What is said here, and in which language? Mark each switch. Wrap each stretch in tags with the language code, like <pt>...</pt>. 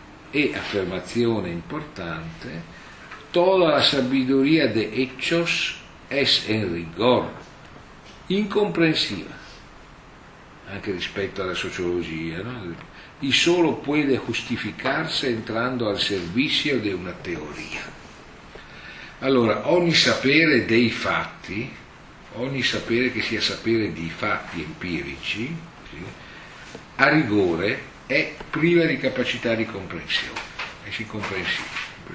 <it>E, affermazione importante,</it> <es>toda la sabiduría de hechos es en rigor incomprensiva,</es> <it>anche rispetto alla sociologia, no?</it> <es>Y solo puede justificarse entrando al servicio de una teoría.</es> <it>Allora, ogni sapere dei fatti, ogni sapere che sia sapere di fatti empirici, sì, a rigore è priva di capacità di comprensione, è incomprensibile.</it>